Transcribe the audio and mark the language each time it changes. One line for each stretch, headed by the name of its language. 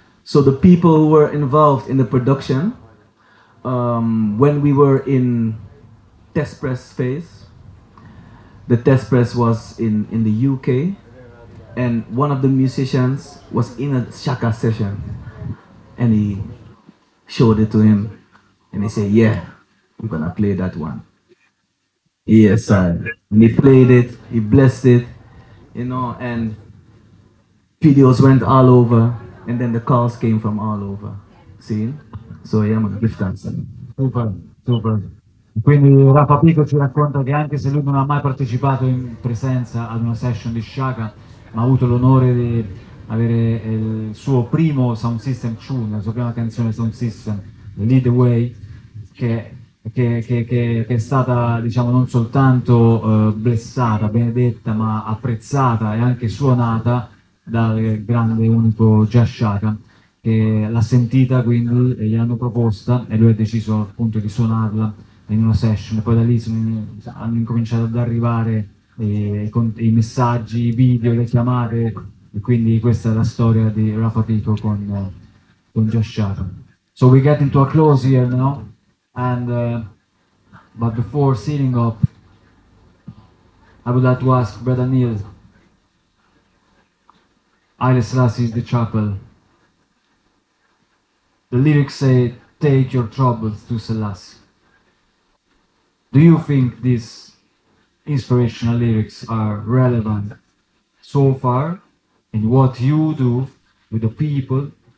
English: So the people who were involved in the production, when we were in test press phase, the test press was in the UK, and one of the musicians was in a Shaka session, and he showed it to him, and he said, yeah, I'm gonna play that one. Yes, sir. And he played it, he blessed it, you know, and videos went all over, and then the calls came from all over. See? So yeah, I'm gonna give thanks. Super.
Italian: Quindi Rafa Pico ci racconta che anche se lui non ha mai partecipato in presenza ad una session di Shaka, ma ha avuto l'onore di avere il suo primo sound system tune, la sua prima canzone sound system, Lead the Way, che è stata, diciamo, non soltanto blessata, benedetta, ma apprezzata e anche suonata dal grande unico Jazz Shaka, che l'ha sentita, quindi gli hanno proposta e lui ha deciso appunto di suonarla in una session. Poi da lì hanno incominciato ad arrivare i messaggi, i video, le chiamate, e quindi questa è la storia di Rafa Pico con Josh Shaka.
English: So we get into a close here now, but before sealing up, I would like to ask Brother Neil, Haile Selassie is the chapel. The lyrics say, take your troubles to Selassie. Do you think these inspirational lyrics are relevant so far in what you do with the people?